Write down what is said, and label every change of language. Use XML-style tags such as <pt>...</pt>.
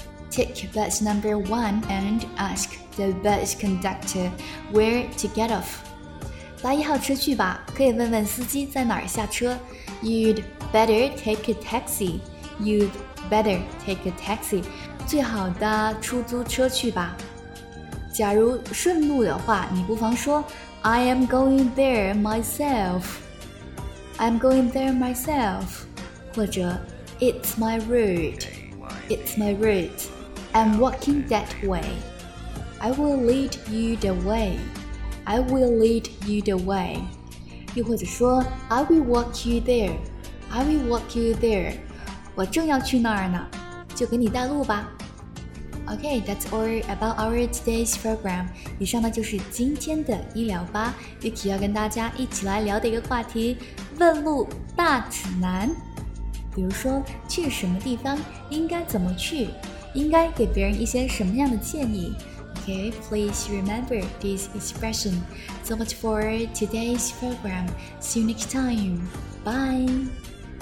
<en>Take bus number one and ask the bus conductor where to get off.</en> <zh>搭一号车去吧，可以问问司机在哪儿下车。</zh> <en>You'd better take a taxi. You'd better take a taxi.</en> <zh>最好搭出租车去吧。假如顺路的话，你不妨说</zh> <en>I am going there myself. I'm going there myself.</en> <zh>或者</zh> <en>It's my route. It's my route. I'm walking that way. I will lead you the way. I will lead you the way.</en> <zh>又或者说</zh> <en>I will walk you there. I will walk you there.</en> <zh>我正要去那儿呢，就给你带路吧。</zh> <en>Okay, that's all about our today's program.</en> <zh>以上呢就是今天的医疗吧。Yuki 要跟大家一起来聊的一个话题，问路大指南。比如说，去什么地方，应该怎么去，应该给别人一些什么样的建议。</zh> <en>Okay, please remember this expression. So much for today's program. See you next time. Bye!</en>